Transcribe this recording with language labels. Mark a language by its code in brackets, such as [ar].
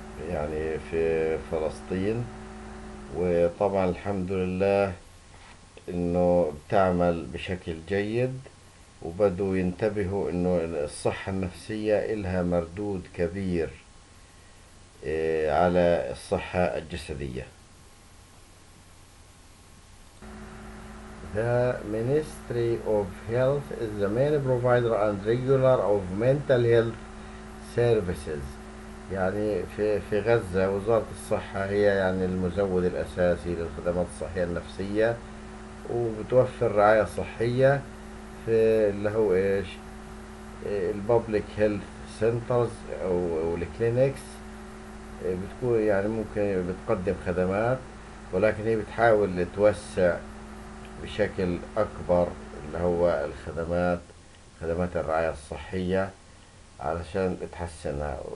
[ar] يعني في فلسطين، وطبعا الحمد لله انه بتعمل بشكل جيد، وبدوا ينتبهوا انه الصحة النفسية لها مردود كبير على الصحة الجسدية. [en] The Ministry of Health is the main provider and regular of mental health services. [ar] يعني في غزة وزارة الصحة هي يعني المزود الأساسي للخدمات الصحية النفسية، وبتوفر رعاية صحية في اللي هو إيش، البابليك هيلث سنترز أو الكلينكس، بتكون يعني ممكن بتقدم خدمات، ولكن هي بتحاول توسع بشكل أكبر اللي هو خدمات الرعاية الصحية علشان تحسنها.